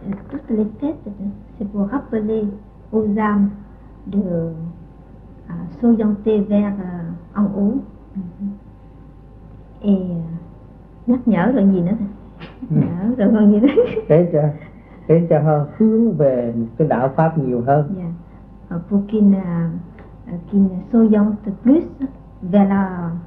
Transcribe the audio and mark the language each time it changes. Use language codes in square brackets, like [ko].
[fr] Toutes les fêtes, c'est pour rappeler aux âmes de s'orienter vers en haut. Et [vi] nhắc nhở rồi gì nữa? Rồi con nghĩ đấy. Để cho họ hướng về một cái đạo pháp nhiều hơn. Yeah. [fr] Pour qu'ils s'orientent plus vers la